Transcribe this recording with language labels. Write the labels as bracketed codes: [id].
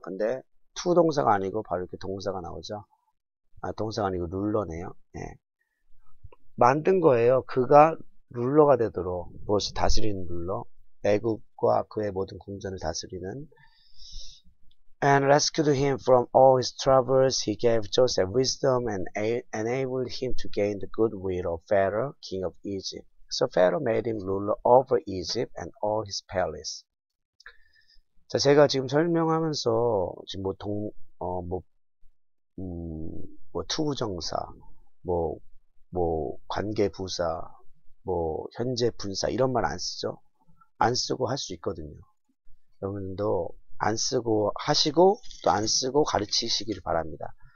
[ko] 근데 to 동사가 아니고 바로 이렇게 동사가 나오죠. 동사가 아니고 룰러네요. 예. 만든 거예요. 그가 룰러가 되도록, 무엇이 다스리는 룰러, 애굽과 그의 모든 궁전을 다스리는. [en] And rescued him from all his troubles. He gave Joseph wisdom and enabled him to gain the goodwill of Pharaoh, king of Egypt. So Pharaoh made him ruler over Egypt and all his palace. [ko] 자, 제가 지금 설명하면서 지금 뭐 투구정사, 뭐 관계부사, 뭐 현재분사 이런 말안 쓰죠? 안 쓰고 할수 있거든요. 여러분도 안 쓰고 하시고 또안 쓰고 가르치시기를 바랍니다.